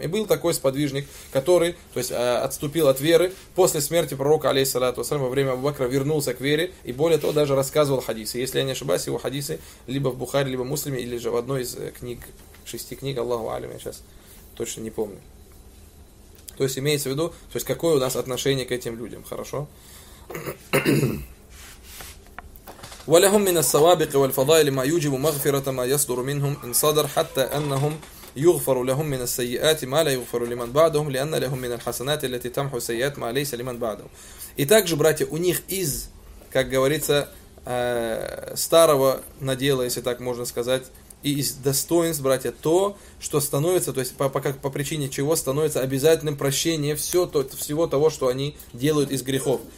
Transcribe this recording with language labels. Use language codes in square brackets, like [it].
[ru] И был такой сподвижник, который, то есть, отступил от веры, после смерти пророка, алейхиссалату вассалям, во время Абу-Бакра вернулся к вере, и более того, даже рассказывал хадисы. Если я не ошибаюсь, его хадисы либо в Бухари, либо в Муслиме, или же в одной из книг, шести книг, Аллаху алим, я сейчас точно не помню. То есть имеется в виду, то есть какое у нас отношение к этим людям, хорошо? [ar] ولهم من السوابق والفضائل ما يوجب مغفرة ما يصدر منهم إن صدر حتى أنهم يغفر لهم من السيئات ما لا يغفر لمن بعدهم لأن لهم من الحسنات التي تمحو السيئات ما ليس لمن بعدهم. [ru] И также, братья, у них из, как говорится, старого надела, если так можно сказать, и из достоинств, братья, то, что становится, то есть по причине чего становится обязательным прощение всего того, что они делают из грехов.